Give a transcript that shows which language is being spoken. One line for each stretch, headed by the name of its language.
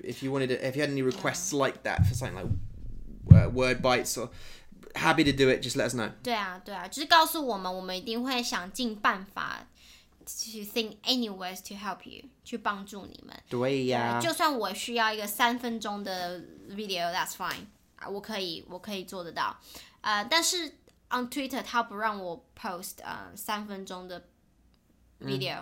English: If you had any requests like that for something like word bites or... happy to do it, just let us know.
Chinese: 对啊,就是告诉我们,我们一定会想尽办法...
English: to think any ways to help you,
Chinese: 去帮助你们. 对呀. 就算我需要一个三分钟的 video,
English: that's fine.
Chinese: 我可以做得到.但是 on Twitter, 他不让我 post 三分钟的 video.